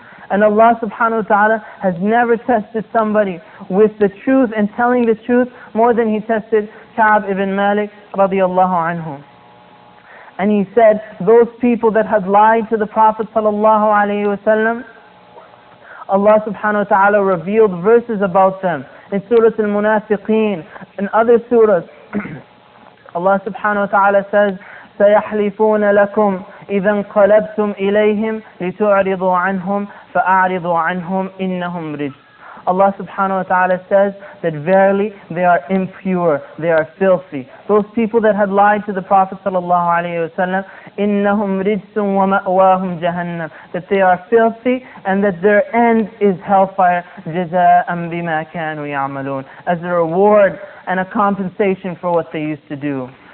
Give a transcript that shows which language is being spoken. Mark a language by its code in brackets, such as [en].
[en] And Allah subhanahu wa ta'ala has never tested somebody with the truth and telling the truth more than he tested Ka'b ibn Malik radiallahu anhu. And he said, those people that had lied to the Prophet sallallahu alayhi wa sallam, Allah subhanahu wa ta'ala revealed verses about them in Surah Al-Munafiqeen and other surahs. [ar] Allah subhanahu wa ta'ala says, سَيَحْلِفُونَ لَكُمْ إِذَا انْقَلَبْتُمْ إِلَيْهِمْ لِتُعْرِضُوا عَنْهُمْ فَأَعْرِضُوا عَنْهُمْ إِنَّهُمْ رِجْسٌ. [en] Allah subhanahu wa ta'ala says that verily they are impure, they are filthy. Those people that had lied to the Prophet sallallahu alayhi wa sallam, [ar] إِنَّهُمْ رِجْسٌ وَمَأْوَاهُمْ جَهَنَّمْ, [en] that they are filthy and that their end is hellfire, [ar] جَزَاءً بِمَا كَانُوا يَعْمَلُونَ, [en] as a reward and a compensation for what they used to do.